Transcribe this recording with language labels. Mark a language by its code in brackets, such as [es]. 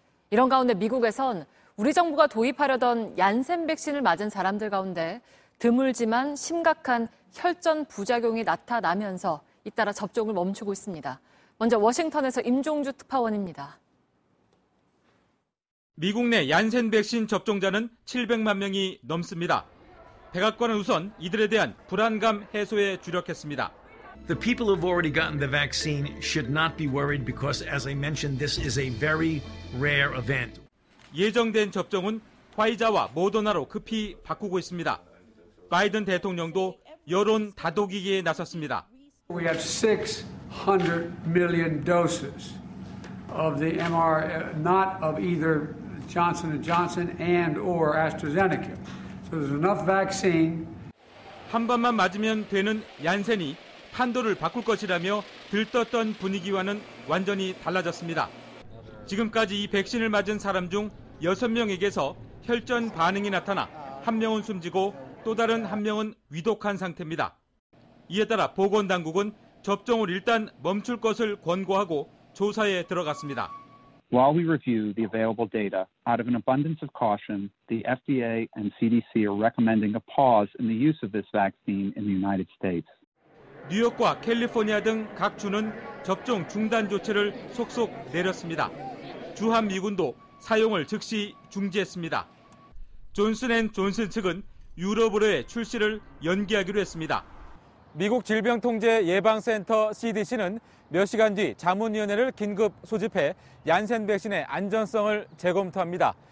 [ko] 이런 가운데 미국에선 우리 정부가 도입하려던 얀센 백신을 맞은 사람들 가운데 드물지만 심각한 혈전 부작용이 나타나면서 잇따라 접종을 멈추고 있습니다. 먼저 워싱턴에서 임종주 특파원입니다. 미국 내 얀센 백신 접종자는 700만 명이 넘습니다. 백악관은 우선 이들에 대한 불안감 해소에 주력했습니다. [en] The people who've already gotten the vaccine should not be worried because as I mentioned this is a very rare event. [ko] 예정된 접종은 화이자와 모더나로 급히 바꾸고 있습니다. 바이든 대통령도 여론 다독이기에 나섰습니다. [en] We have 600 million doses. of the mRNA, not of either Johnson & Johnson and or AstraZeneca. So there's enough vaccine. [ko] 한 번만 맞으면 되는 얀센이 판도를 바꿀 것이라며 들떴던 분위기와는 완전히 달라졌습니다. 지금까지 이 백신을 맞은 사람 중 6명에게서 혈전 반응이 나타나 한 명은 숨지고 또 다른 한 명은 위독한 상태입니다. 이에 따라 보건당국은 접종을 일단 멈출 것을 권고하고 조사에 들어갔습니다. [en] While we review the available data, out of an abundance of caution, the FDA and CDC are recommending a pause in the use of this vaccine in the United States. [ko] 뉴욕과 캘리포니아 등 각 주는 접종 중단 조치를 속속 내렸습니다. 주한 미군도 사용을 즉시 중지했습니다. 존슨 앤 존슨 측은 유럽으로의 출시를 연기하기로 했습니다. 미국 질병통제예방센터 CDC는 몇 시간 뒤 자문위원회를 긴급 소집해 얀센 백신의 안전성을 재검토합니다.